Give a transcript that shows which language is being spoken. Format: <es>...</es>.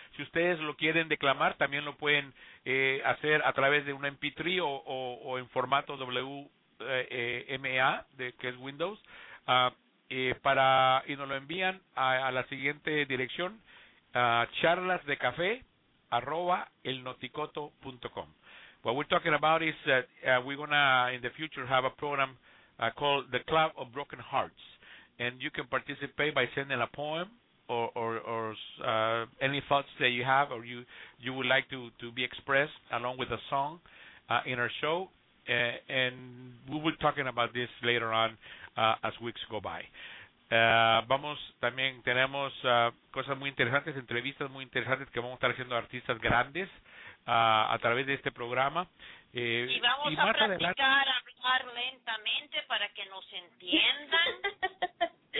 <es>Si ustedes lo quieren declamar, también lo pueden hacer a través de un MP3 o en formato WMA, que es Windows, y nos lo envían a la siguiente dirección, charlasdecafe@elnoticoto.com.</es> <en>What we're talking about is that we're going to, in the future, have a program called The Club of Broken Hearts. And you can participate by sending a poem or any thoughts that you have or you would like to be expressed along with a song in our show. And we will be talking about this later on as weeks go by.</en> <es>Vamos, también tenemos cosas muy interesantes, entrevistas muy interesantes que vamos a estar haciendo artistas grandes. A través de este programa. Y vamos a practicar a hablar lentamente para que nos entiendan.</es>